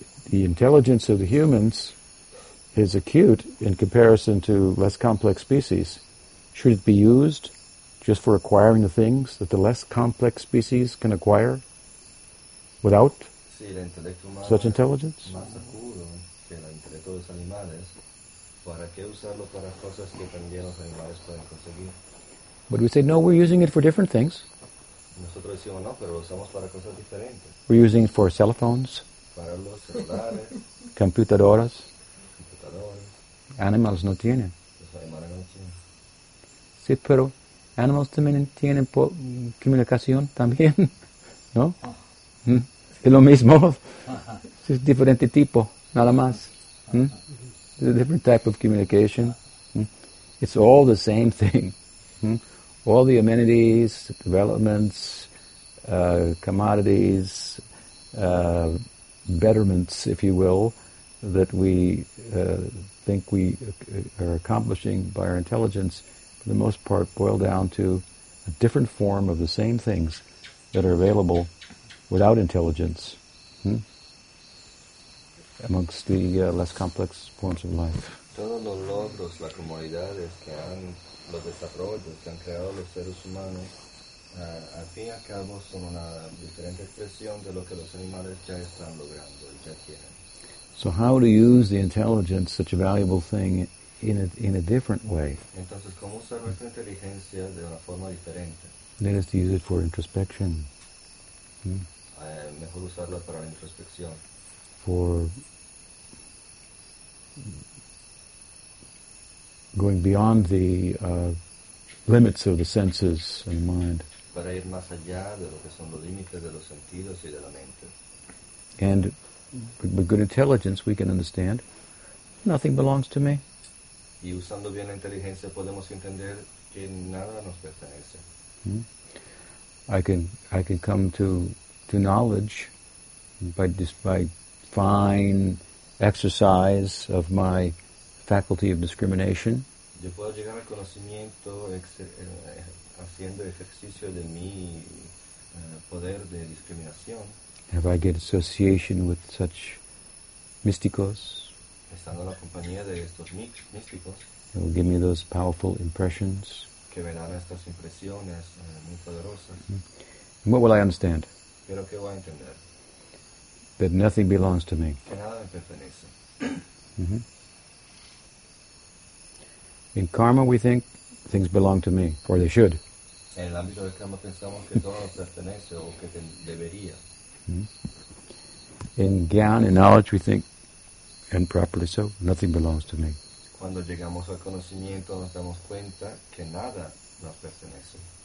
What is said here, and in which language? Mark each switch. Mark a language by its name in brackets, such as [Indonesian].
[English] The intelligence of the humans is acute in comparison to less complex species. Should it be used just for acquiring the things that the less complex species can acquire without [Spanish] sí, el intelecto humano [English] such intelligence? [Spanish] Más acuro que el intelecto de los animales. ¿Para qué usarlo para cosas que también los animales pueden conseguir? [English] But we say, no, we're using it for different things. [Spanish] Nosotros decimos, no, pero lo usamos para cosas diferentes. [English] We're using it for cell phones. [Spanish] Para los celulares. Computadoras. Computadoras. Animals no tienen. Los animales no tienen. Sí, pero animals también tienen comunicación también, ¿no? ¿Mm? Es lo mismo. Es diferente tipo, nada más. ¿Mm? [English] A different type of communication. It's all the same thing. All the amenities, developments, commodities, betterments, if you will, that we think we are accomplishing by our intelligence, for the most part, boil down to a different form of the same things that are available without intelligence. Amongst the less complex forms of life. [Spanish] Todos los logros, las comodidades que han, los desarrollos que han creado los seres humanos, al fin y al cabo son una diferente expresión de lo que los animales ya están logrando y ya tienen. [English] So how to use the intelligence, such a valuable thing, in a different way? [Spanish] Entonces, ¿cómo usar nuestra inteligencia de una forma diferente? [English] Let us use it for introspection. [Spanish] Mejor usarla para la introspección. [English] For going beyond the limits of the senses and the mind. [Spanish] Para ir más allá de lo que son los límites de los sentidos y de la mente. [English] And with good intelligence, we can understand nothing belongs to me. [Spanish] Y usando bien la inteligencia, podemos entender que nada nos pertenece. [English] I can come to knowledge by fine exercise of my faculty of discrimination. [Spanish] Yo puedo llegar al conocimiento haciendo ejercicio de mi poder de discriminación. [English] If I get association with such místicos, [Spanish] estando en la compañía de estos místicos, [English] it will give me those powerful impressions. [Spanish] Que me darán estas impresiones muy poderosas. [English] And what will I understand? [Spanish] Pero qué voy a entender. [English] That nothing belongs to me. [Spanish] Que nada me pertenece. [English] In karma, we think things belong to me, or they should. [Spanish] En el ámbito del karma pensamos que todo nos pertenece o que debería. [English] In gyan, in knowledge, we think, and properly so, nothing belongs to me. [Spanish] Cuando llegamos al conocimiento, nos damos cuenta que nada nos pertenece.